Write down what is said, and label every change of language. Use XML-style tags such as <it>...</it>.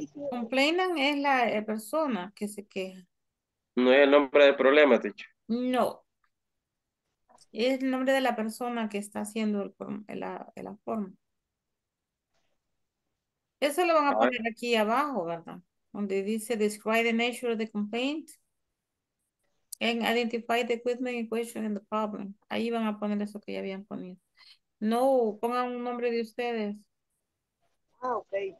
<es>Complainant es la persona que se queja. No es el nombre del problema, dicho. No. Es el nombre de la persona que está haciendo la forma. Eso lo van a poner aquí abajo, ¿verdad? Donde dice</es> <en>describe the nature of the complaint and identify the equipment in question and the problem.</en> <es>Ahí van a poner eso que ya habían ponido. No, pongan un nombre de ustedes. Ah, ok.</es>